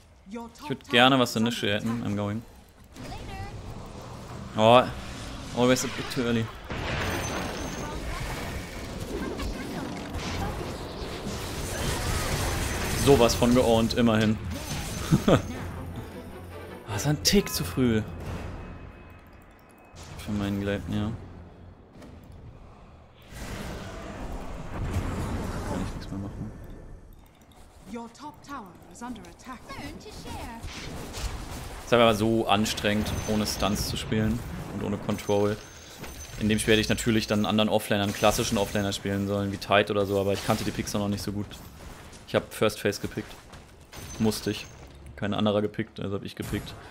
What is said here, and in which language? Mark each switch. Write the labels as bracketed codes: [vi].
[de] Ich würde gerne was in Nische hätten. [en] I'm going. Oh, always a bit too early. [de] Sowas von geohnt, immerhin. Das ist ein Tick zu früh. Für meinen Gleipnir. Kann ich nichts mehr machen. [en] Your top tower is under attack. [de] Das ist aber so anstrengend, ohne Stunts zu spielen und ohne Control. In dem Spiel hätte ich natürlich dann einen anderen Offlaner, einen klassischen Offlaner spielen sollen, wie Tide oder so, aber ich kannte die Picks noch nicht so gut. Ich habe First Phase gepickt. Musste ich. Kein anderer gepickt, also habe ich gepickt.